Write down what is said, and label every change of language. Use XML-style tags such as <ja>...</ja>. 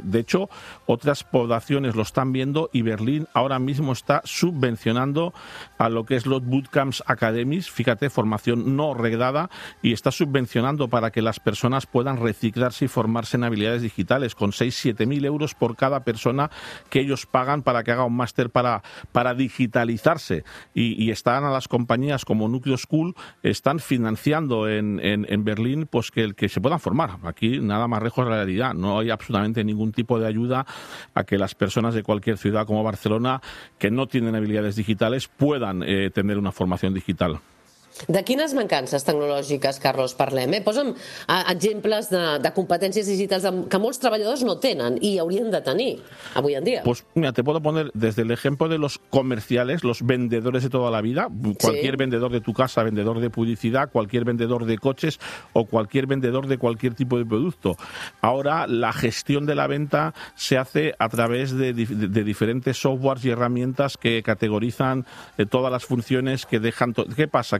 <es>De hecho, otras poblaciones lo están viendo y Berlín ahora mismo está subvencionando a lo que es los Bootcamps Academies, fíjate, formación no reglada, y está subvencionando para que las personas puedan reciclarse y formarse en habilidades digitales, con 6,000-7,000 euros por cada persona que ellos pagan para que haga un máster para digitalizarse, y están a las compañías como Nucleo School, están financiando en Berlín pues que se puedan formar. Aquí nada más lejos de la realidad, no hay absolutamente ningún tipo de ayuda a que las personas de cualquier ciudad como Barcelona, que no tienen habilidades digitales, puedan tener una formación digital.</es> <ca>De quines mancances tecnològiques, Carlos, parlem? Posa'm exemples de competències digitals que molts treballadors no tenen i haurien de tenir avui en dia.</ca> <es>Pues mira, te puedo poner desde el ejemplo de los comerciales, los vendedores de toda la vida, cualquier sí. Vendedor de tu casa, vendedor de publicidad, cualquier vendedor de coches o cualquier vendedor de cualquier tipo de producto. Ahora la gestión de la venta se hace a través de diferentes softwares y herramientas que categorizan todas las funciones que dejan. ¿Qué pasa?</es>